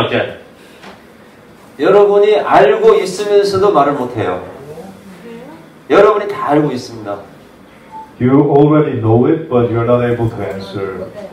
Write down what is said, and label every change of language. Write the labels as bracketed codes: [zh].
[zh] 它的产蛋量下降，为什么？如果你能够明白这一点，你这一次来江西的机票钱已经值回票价。 [ko] 여러분이 알고 있으면서도 말을 못해요. 여러분이 다 알고 있습니다. [en] You already know it, but you're not able to answer.